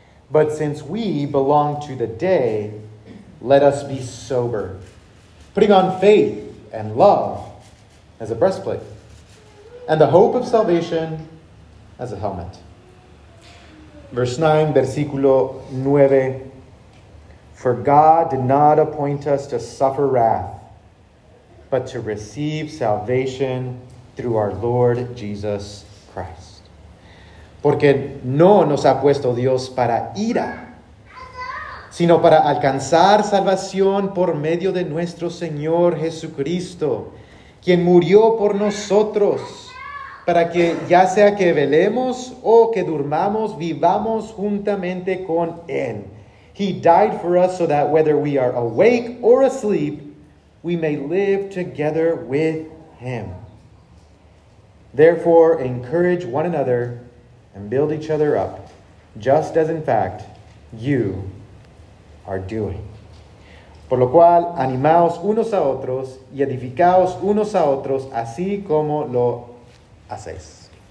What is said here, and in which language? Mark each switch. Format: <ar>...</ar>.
<en>But since we belong to the day, let us be sober, putting on faith and love as a breastplate, and the hope of salvation as a helmet. Verse 9,</en> <es>versículo 9.</es> <en>For God did not appoint us to suffer wrath, but to receive salvation through our Lord Jesus Christ.</en> <es>Porque no nos ha puesto Dios para ira, sino para alcanzar salvación por medio de nuestro Señor Jesucristo, quien murió por nosotros, para que ya sea que velemos o que durmamos, vivamos juntamente con Él.</es> <en>He died for us so that whether we are awake or asleep, we may live together with Him. Therefore, encourage one another and build each other up, just as in fact you are doing.</en> <es>Por lo cual, animaos unos a otros y edificaos unos a otros, así como lo hacéis.</es>